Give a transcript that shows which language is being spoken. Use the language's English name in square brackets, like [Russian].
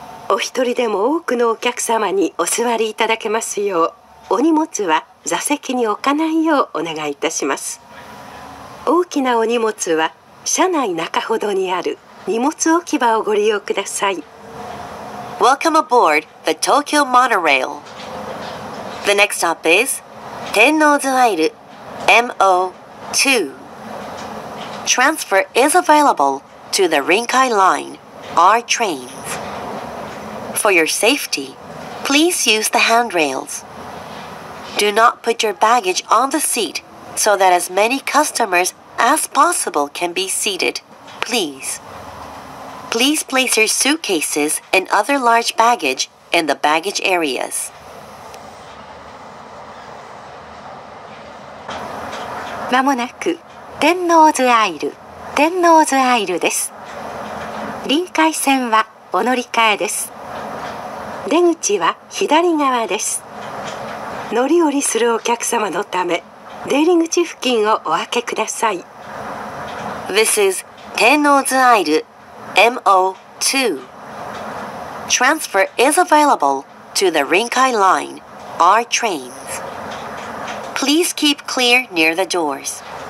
[Japanese] お一人でも多くのお客様にお座りいただけますよう、お荷物は座席に置かないようお願いいたします。大きなお荷物は車内中ほどにある荷物置き場をご利用ください。 [English] Welcome aboard the Tokyo Monorail. The next stop is 天王洲アイル MO2. Transfer is available to the Rinkai Line R trains. For your safety, please use the handrails. Do not put your baggage on the seat so that as many customersas possible can be seated, please. Please place your suitcases and other large baggage in the baggage areas. [Japanese] まもなく天王洲アイル、天王洲アイルです。臨海線はお乗り換えです。出口は左側です。乗り降りするお客様のため、出入り口付近をお開けください。 [English] This is 天王洲アイル MO2. Transfer is available to the Rinkai Line R trains. Please keep clear near the doors.